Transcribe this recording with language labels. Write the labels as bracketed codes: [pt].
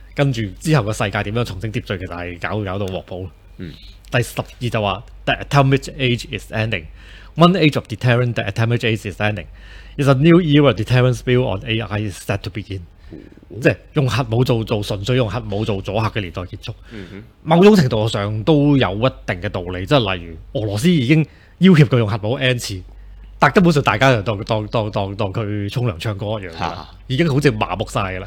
[yue] 跟住之後個世界點樣重新秩序，其實係搞到鑊泡。嗯。第十二就話 [en] ，The atomic age is ending. One age of deterrent, the atomic age is ending. It's a new era deterrence built on AI is set to begin. [yue] 即係用核武做純粹用核武做阻嚇嘅年代結束。某種程度上都有一定嘅道理，即係例如俄羅斯已經要挟佢用核武 N 次，但根本上大家就當佢沖涼唱歌一樣，已經好似麻木曬啦。